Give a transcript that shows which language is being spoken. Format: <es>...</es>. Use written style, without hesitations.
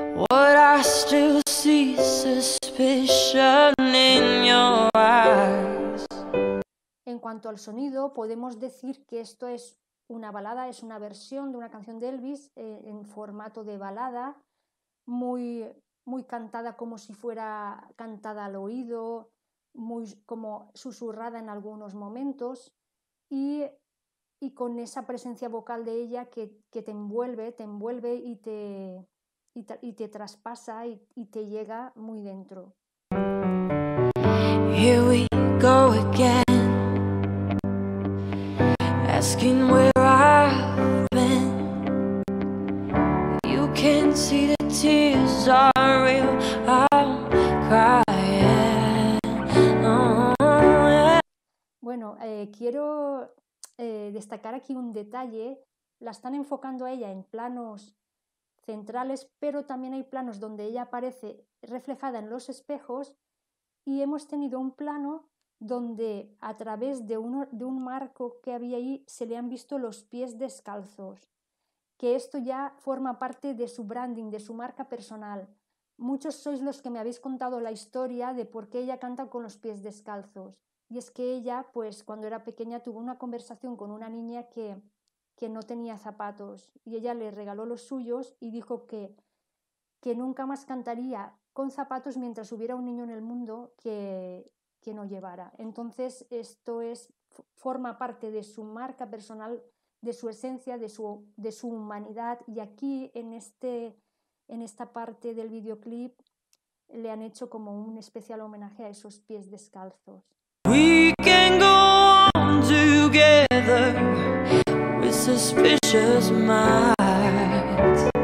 <en>What I still see suspicion in your eyes.</en> <es>En cuanto al sonido, podemos decir que esto es una balada, es una versión de una canción de Elvis en formato de balada, muy, muy cantada como si fuera cantada al oído, muy como susurrada en algunos momentos y con esa presencia vocal de ella que te envuelve y te traspasa y te llega muy dentro.</es> <en>Here we go again, asking where I've been. You can see the tears are real, I'm crying.</en> <es>Bueno, quiero destacar aquí un detalle. La están enfocando a ella en planos centrales, pero también hay planos donde ella aparece reflejada en los espejos y hemos tenido un plano donde a través de un marco que había ahí se le han visto los pies descalzos, que esto ya forma parte de su branding, de su marca personal. Muchos sois los que me habéis contado la historia de por qué ella canta con los pies descalzos. Y es que ella, pues cuando era pequeña, tuvo una conversación con una niña que no tenía zapatos y ella le regaló los suyos y dijo que nunca más cantaría con zapatos mientras hubiera un niño en el mundo que no llevara. Entonces, esto es forma parte de su marca personal, de su esencia, de su humanidad. Y aquí, en esta parte del videoclip, le han hecho como un especial homenaje a esos pies descalzos.</es> <en>We can go on together with suspicious minds.</en>